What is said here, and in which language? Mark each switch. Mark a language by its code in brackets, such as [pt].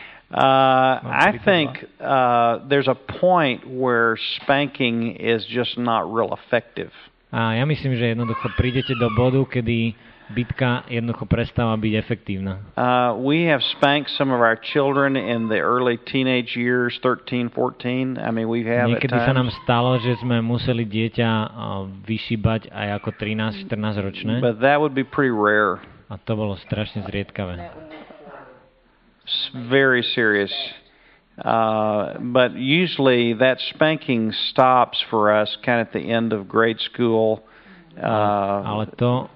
[en] I think there's a point where spanking is just not real effective. [sk] Ja myslím, že jednoducho prídete do bodu, kedy bitka jednoducho prestáva byť efektívna. [en] We have spanked some of our children in the early teenage years, 13, 14. I mean, we have. [sk] Niekedy sa nám stalo, že sme museli dieťa vyšíbať aj ako 13, 14 ročné. [en] But that would be pretty rare. [sk] A to bolo strašne zriedkavé. [en] Very serious. But usually that spanking stops for us kind of at the end of grade school. [sk] Ale to